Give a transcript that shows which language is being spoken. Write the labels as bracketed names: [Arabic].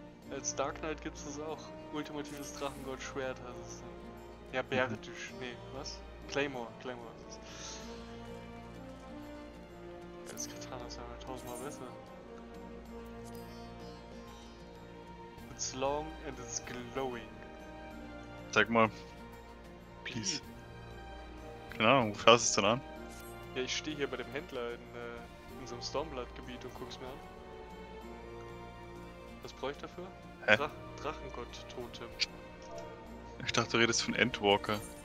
[German] Als Dark Knight gibt's das auch. Ultimatives Drachengott-Schwert heißt es. Ja, Bärtisch. Nee, was? Claymore ist es. Das Katana ist ja 1000 Mal besser. [English] It's long and it's glowing. [German] Sag mal. [English] Please. [German] Keine Ahnung, wo fährst du es denn an? Ja, ich stehe hier bei dem Händler in so einem Stormblood-Gebiet und guck's mir an. Was bräuchte ich dafür? Drachengott-Totem. Ich dachte, du redest von Endwalker.